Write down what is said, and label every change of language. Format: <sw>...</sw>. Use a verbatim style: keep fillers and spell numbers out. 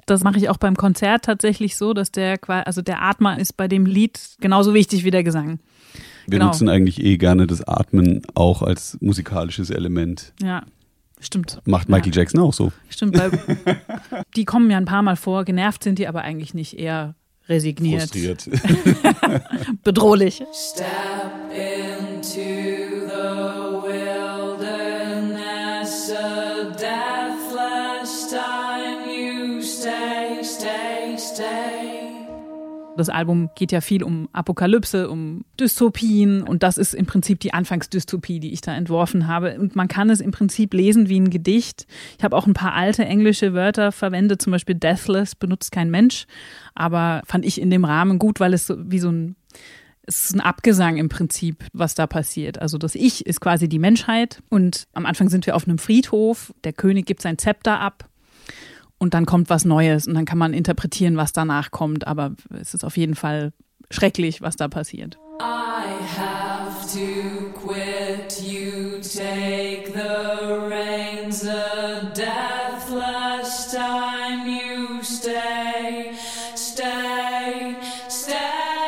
<de>Das mache ich auch beim Konzert tatsächlich so, dass der, also der Atmer ist bei dem Lied genauso wichtig wie der Gesang. Wir genau. nutzen eigentlich eh gerne das Atmen auch als musikalisches Element. Ja, stimmt. Macht Michael ja. Jackson auch so. Stimmt, weil die kommen ja ein paar Mal vor, genervt sind die aber eigentlich nicht, eher resigniert. Frustriert. Bedrohlich.</de> <en>Step into the wilderness, a deathless time you stay, stay, stay.</en> <de>Das Album geht ja viel um Apokalypse, um Dystopien und das ist im Prinzip die Anfangsdystopie, die ich da entworfen habe. Und man kann es im Prinzip lesen wie ein Gedicht. Ich habe auch ein paar alte englische Wörter verwendet, zum Beispiel deathless, benutzt kein Mensch, aber fand ich in dem Rahmen gut, weil es so wie so ein, es ist ein Abgesang im Prinzip, was da passiert. Also das Ich ist quasi die Menschheit und am Anfang sind wir auf einem Friedhof, der König gibt sein Zepter ab. Und dann kommt was Neues und dann kann man interpretieren, was danach kommt. Aber es ist auf jeden Fall schrecklich, was da passiert.</de> <en>I have to quit, you take the reins, a deathless time you stay, stay, stay.</en>